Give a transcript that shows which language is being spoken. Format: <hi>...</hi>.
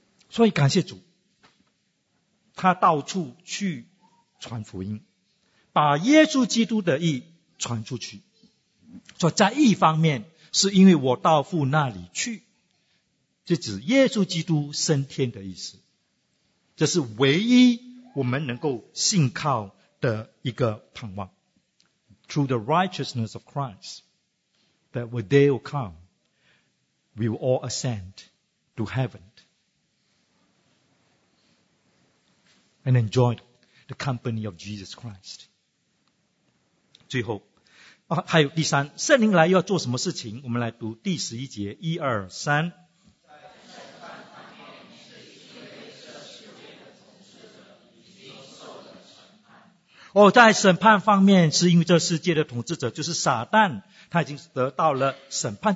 <zh>所以感谢主，他到处去传福音，把耶稣基督的义传出去。说在一方面是因为我到父那里去，这指耶稣基督升天的意思，这是唯一我们能够信靠的一个盼望。</zh> <en>Through the righteousness of Christ, that when they will come, we will all ascend to heaven and enjoy the company of Jesus Christ.</en> <zh>最后啊，还有第三，圣灵来要做什么事情？我们来读第十一节，一二三。哦，在审判方面，是因为这世界的统治者就是撒旦，他已经得到了审判。</zh>